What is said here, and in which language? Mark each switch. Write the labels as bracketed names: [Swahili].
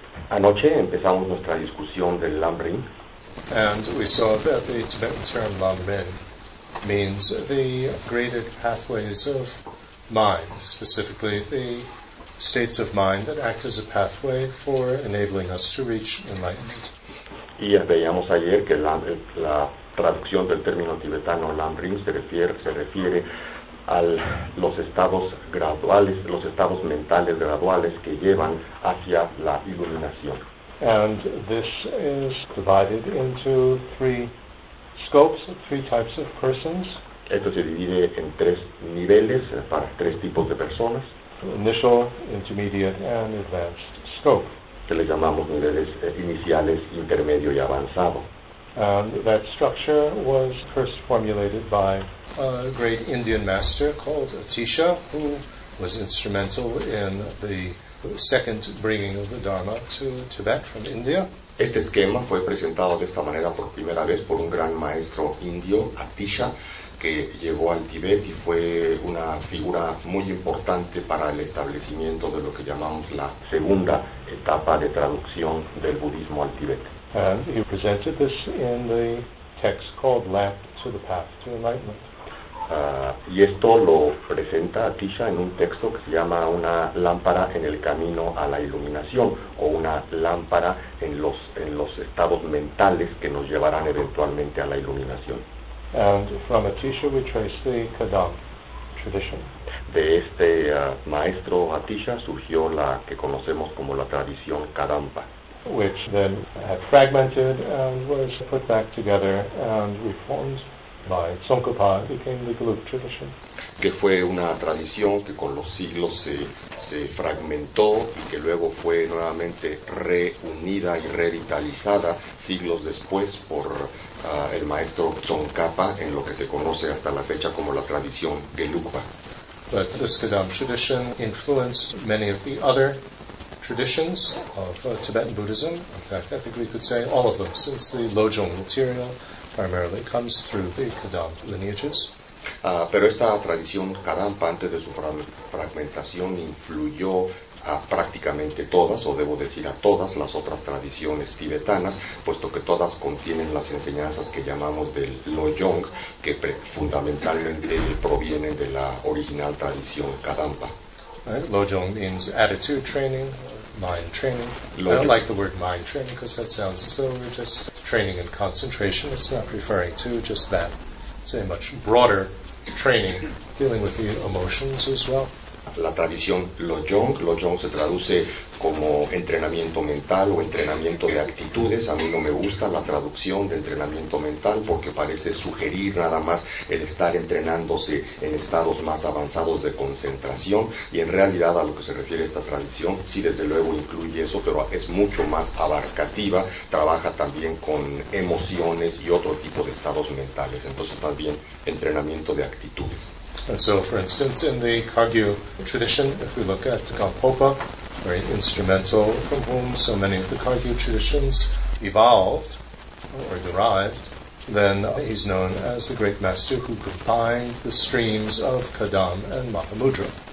[Spanish] Anoche empezamos nuestra discusión del lam-rim. [English] And we saw that the Tibetan term lam-rim means the graded pathways of mind, specifically the states of mind that act as a pathway for enabling us to reach enlightenment. [Spanish] Y veíamos ayer que la traducción del término tibetano lam-rim se refiere a los estados graduales, los estados mentales graduales que llevan hacia la iluminación. [English] And this is divided into three scopes, three types of persons. [Spanish] Esto se divide en tres niveles para tres tipos de personas. [English] Initial, intermediate, and advanced scope. [Spanish] Que le llamamos niveles iniciales, intermedio y avanzado. [English] And that structure was first formulated by a great Indian master called Atisha, who was instrumental in the second bringing of the Dharma to Tibet from India. [Spanish] Este esquema fue presentado de esta manera por primera vez por un gran maestro indio, Atisha, que llegó al Tibet y fue una figura muy importante para el establecimiento de lo que llamamos la segunda etapa de traducción del budismo al Tibet. [English] And he presented this in the text called Lamp to the Path to Enlightenment. [Spanish] Y esto lo presenta Atisha en un texto que se llama Una lámpara en el camino a la iluminación, o una lámpara en los estados mentales que nos llevarán eventualmente a la iluminación. [English] And from Atisha we trace the Kadam tradition. [Spanish] De este maestro Atisha surgió la que conocemos como la tradición Kadampa, [English] which then had fragmented and was put back together and reformed by Tsongkhapa, became the Gelug tradition. [Spanish] Que fue una tradición que con los siglos se fragmentó y que luego fue nuevamente reunida y revitalizada siglos después por el maestro Tsongkhapa en lo que se conoce hasta la fecha como la tradición Gelugpa. [English] But this Kadam tradition influenced many of the other traditions of Tibetan Buddhism. In fact, I think we could say all of them, since the Lojong material primarily comes through the Kadam lineages. [Spanish] Pero esta tradición Kadampa, antes de su fragmentación, influyó a prácticamente todas, o debo decir a todas las otras tradiciones tibetanas, puesto que todas contienen las enseñanzas que llamamos del Lojong, que fundamentalmente provienen de la original tradición Kadampa. [English] Right. Lojong means attitude training, mind training. Lojong. I don't like the word mind training because that sounds as though we're just training in concentration. It's not referring to just that. It's a much broader training dealing with the emotions as well. [Spanish] La tradición Lojong se traduce como entrenamiento mental o entrenamiento de actitudes. A mí no me gusta la traducción de entrenamiento mental porque parece sugerir nada más el estar entrenándose en estados más avanzados de concentración, y en realidad a lo que se refiere esta tradición, sí, desde luego incluye eso, pero es mucho más abarcativa, trabaja también con emociones y otro tipo de estados mentales, entonces más bien entrenamiento de actitudes. [English] And so, for instance, in the Kagyu tradition, if we look at Gampopa, very instrumental from whom so many of the Kagyu traditions evolved or derived, then he's known as the great master who could bind the streams of Kadam and Mahamudra.